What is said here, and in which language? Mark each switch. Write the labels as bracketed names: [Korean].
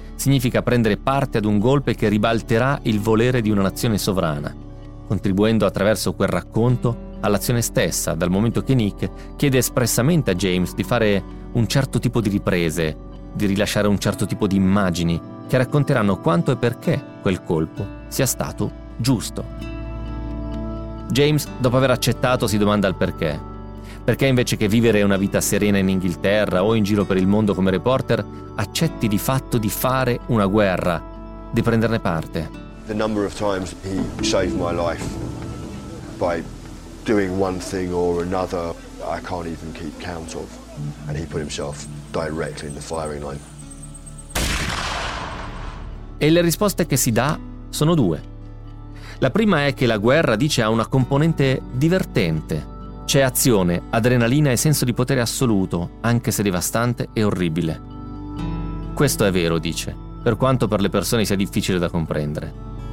[Italian] Significa prendere parte ad un golpe che ribalterà il volere di una nazione sovrana, contribuendo attraverso quel racconto all'azione stessa, dal momento che Nick chiede espressamente a James di fare un certo tipo di riprese, di rilasciare un certo tipo di immagini che racconteranno quanto e perché quel colpo sia stato giusto. James, dopo aver accettato, si domanda il perché. Perché invece che vivere una vita serena in Inghilterra o in giro per il mondo come reporter, accetti di fatto di fare una guerra, di prenderne parte? [English] The number of times he saved my life by doing one thing or another I can't even keep count of, and he put himself directly in the firing line. [Italian] E le risposte che si dà sono due. La prima è che la guerra, dice, ha una componente divertente. C'è azione, adrenalina e senso di potere assoluto, anche se devastante e orribile. Questo è vero, dice, per quanto per le persone sia difficile da comprendere.